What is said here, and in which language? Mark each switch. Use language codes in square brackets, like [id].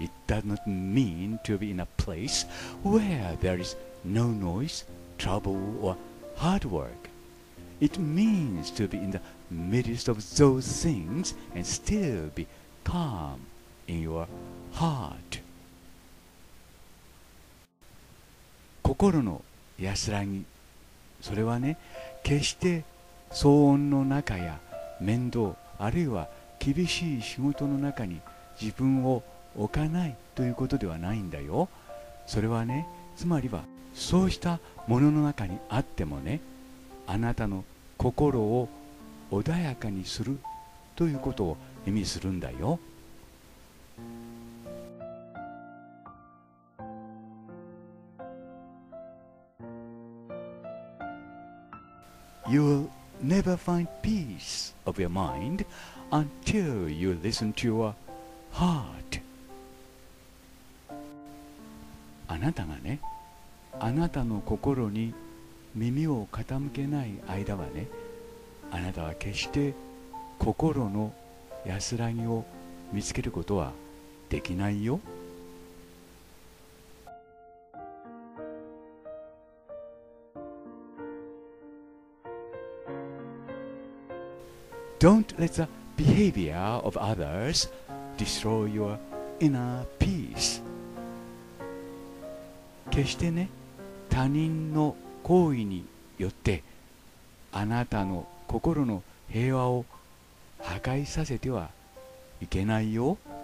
[en] Does not mean to be in a place where there is no noise, trouble, or hard work. It means to be in the midst of those things and still be calm in your heart. [ja] 心の安らぎ、それはね、決して騒音の中や面倒、あるいは厳しい仕事の中に自分を置かないということではないんだよ。それはね、つまりはそうしたものの中にあってもね、あなたの心を穏やかにするということを意味するんだよ。 [en] You will never find peace of your mind until you listen to your heart. [ja] あなたがね、あなたの心に耳を傾けない間はね、あなたは決して心の安らぎを見つけることはできないよ。 [en] Don't let the behavior of others destroy your inner peace. [ja] 決してね、他人の行為によってあなたの心の平和を破壊させてはいけないよ。